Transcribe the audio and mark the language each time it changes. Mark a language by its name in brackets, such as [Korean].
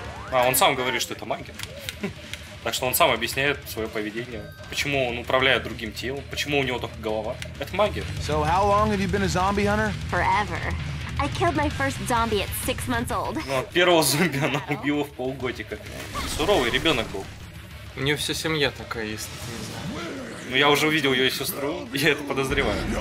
[Russian] А он сам говорит, что это магия. Так что он сам объясняет свое поведение. Почему он управляет другим телом, почему у него только голова. Это магия. [English] So how long have you been a zombie hunter? Forever. I killed my first zombie at 6 months old. [Russian] Ну, от первого зомби она убила в полгодика. Суровый ребенок был. У нее вся семья такая, если ты не знаешь. Ну, я уже увидел ее сестру, я это подозреваю.